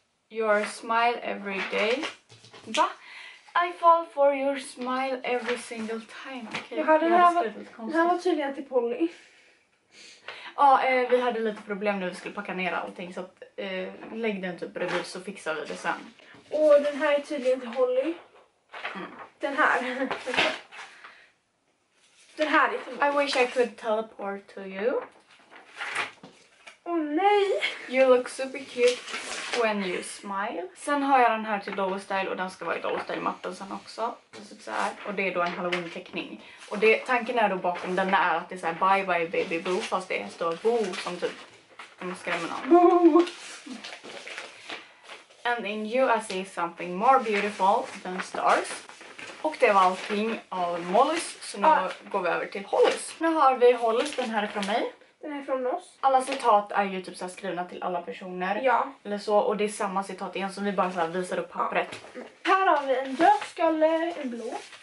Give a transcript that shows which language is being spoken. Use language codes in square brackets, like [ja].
[en] I fall for your smile every day. Va? I fall for your smile every single time. Okay. [sv] Jag hade skrivit lite konstigt. Den här var tydligen till Polly. Ja, vi hade lite problem när vi skulle packa ner allting, så att, lägg den typ bredvid så fixar vi det sen. Och den här är tydligen till Holly. Den här. Den här är till [en] Molly. I wish I could teleport to you. [sv] Åh nej! [en] You look super cute when you smile. [sv] Sen har jag den här till Dollar Style och den ska vara i Dollar Style mattan sen också. Så så här. Och det är då en Halloween teckning. Och det, tanken är då bakom den är att det är så här bye bye baby boo, fast det står boo som typ skrämmer någon. Boo! [en] And in you I see something more beautiful than stars. [sv] Och det var allting av Mollys, så nu går vi över till Hollys. Nu har vi Hollys, den här är från mig. Den är från oss. Alla citat är ju typ så här skrivna till alla personer. Ja. Eller så, och det är samma citat igen som vi bara så här visar upp pappret. Ja. Här har vi en dödskalle, en blå.